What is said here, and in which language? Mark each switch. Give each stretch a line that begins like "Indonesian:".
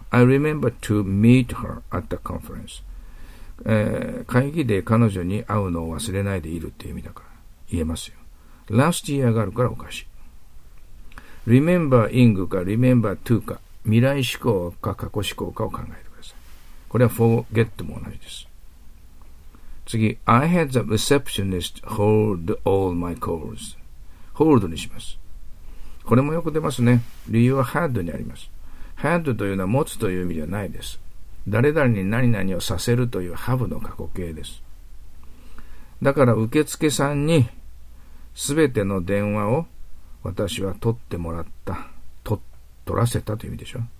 English: I remember to meet her at the conference.
Japanese: 会議で彼女に会うのを忘れないでいるっていう意味だから言えますよ。
English: Last year
Japanese: があるからおかしい。Remember ing か Remember to か未来思考か過去思考かを考えてください。これは forget も同じです。次、
English: I had the receptionist hold all my calls。
Japanese: hold にします。これもよく出ますね。理由は had にあります。 had というのは持つという意味ではないです。誰々に何々をさせるという have の過去形です。だから受付さんに全ての電話を私は取ってもらった、取らせたという意味でしょ。